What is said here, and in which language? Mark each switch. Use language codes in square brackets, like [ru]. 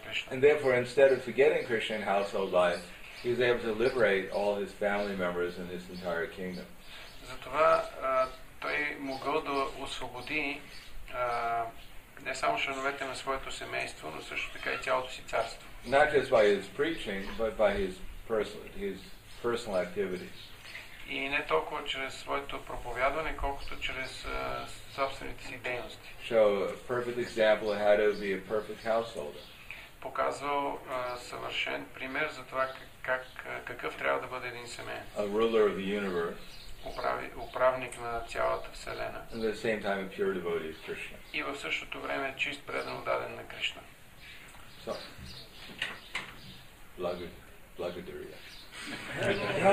[en] And therefore, instead of forgetting Krishna in household life, he was able to liberate all his family members in his entire kingdom. [bg] Затова той могъл да освободи не само членовете на своето семейство, но също така и цялото си царство. [en] Not just by his preaching, but by his personal activities. [bg] И не толкова чрез своето проповядване, колкото чрез собствените си дейности. [en] Show a perfect example of how to be a perfect householder. [bg] Показвал съвършен пример за това какъв трябва да бъде един семеен. [en] A ruler of the universe. [bg] Управник на цялата вселена. [en] At the same time a pure devotee of Krishna. [bg] И в същото време чист предан отдаден на Кришна. So, благодаря.